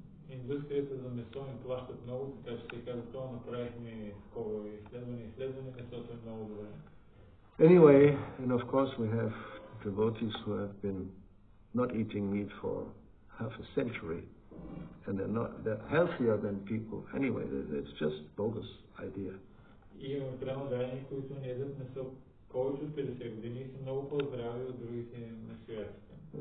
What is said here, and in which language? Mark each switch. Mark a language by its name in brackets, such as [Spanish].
[Bulgarian] Индустрията за месо им плащат много, така че сега за това направихме такова изследване, месото е много добре. [English] Anyway, and of course we have devotees who have been not eating meat for half a century, and they're healthier than people. Anyway, it's just bogus idea. [Bulgarian] Имаме прямо граждани, които не едат месо повече от 50 години и са много по-здрави от другите месоядците.